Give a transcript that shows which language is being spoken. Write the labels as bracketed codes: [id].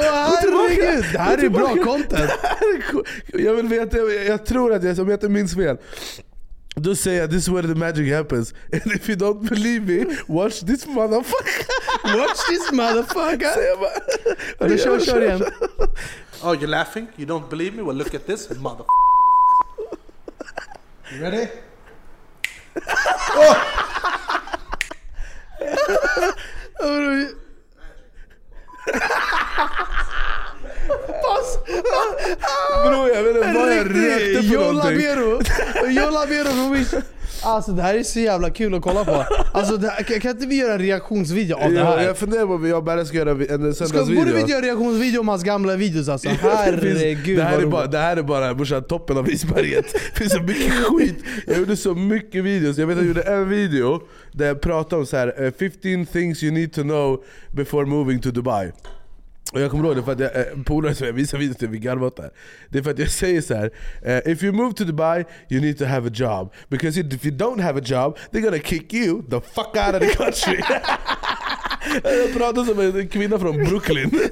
[sv] Herregud, det här är bra content. Jag vill veta, jag tror att jag, om jag inte minns fel, då säger jag, [en] this is where the magic happens. And if you don't believe me, watch this motherfucker. Watch this motherfucker. [sv] Du kör igen. [en] Oh, you're laughing? You don't believe me? Well, look at this motherfucker. You ready? Pass. [sv] Bro, jag vet inte vad jag rökte på. Jolla Vero för mig. Alltså det här är så jävla kul att kolla på. Alltså det här, kan inte vi göra en reaktionsvideo av det här? Jag funderar på om jag bara ska göra en söndagsvideo. Borde vi göra en reaktionsvideo om hans gamla videos alltså? Herregud. Det här är bara borsa toppen av isberget. Finns så mycket skit. Jag gjorde så mycket videos. Jag vet att jag gjorde en video där jag pratade om så här [en] 15 things you need to know before moving to Dubai. [sv] Och jag kommer ihåg det för att jag polare som jag visar videos till, vi garvar åt det här. Det är för att jag säger så här: [en] if you move to Dubai, you need to have a job. [sv] Because if you don't have a job, they're gonna kick you the fuck out of the country. Jag pratar som en kvinna från Brooklyn.